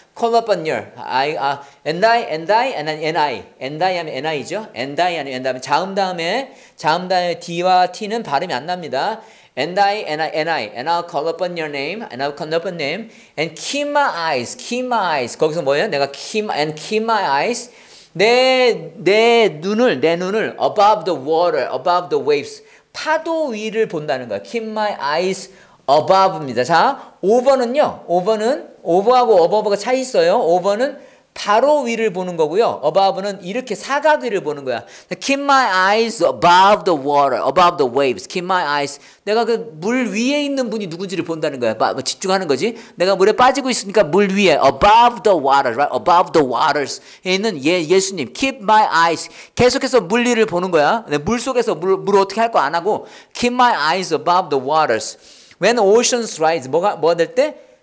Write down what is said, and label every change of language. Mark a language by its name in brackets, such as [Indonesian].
[English] Call upon your. I, and I. And I [Korean] 아니면 [English] and I. [Korean] 자음 다음에 D와 T는 발음이 안 납니다. [English] And I. And I'll call upon your name. And keep my eyes. Keep my eyes. [Korean] 거기서 뭐예요? [English] 내가 keep my eyes. [Korean] 내 눈을 [English] above the water, above the waves. [Korean] 파도 위를 본다는 거야. [English] Keep my eyes above입니다. [Korean] 자, over는요. over는 over하고 above가 차이 있어요. over는 바로 위를 보는 거고요. above는 이렇게 사각 위를 보는 거야. [English] Keep my eyes above the water, above the waves. Keep my eyes. [Korean] 내가 그 물 위에 있는 분이 누군지를 본다는 거야. 집중하는 거지. 내가 물에 빠지고 있으니까 물 위에, [English] above the waters, right? above the waters 있는 예수님. Keep my eyes. [Korean] 계속해서 물 위를 보는 거야. 물 속에서 물 어떻게 할 거 안 하고 [English] keep my eyes above the waters. When oceans rise, [Korean] 뭐가 될 때?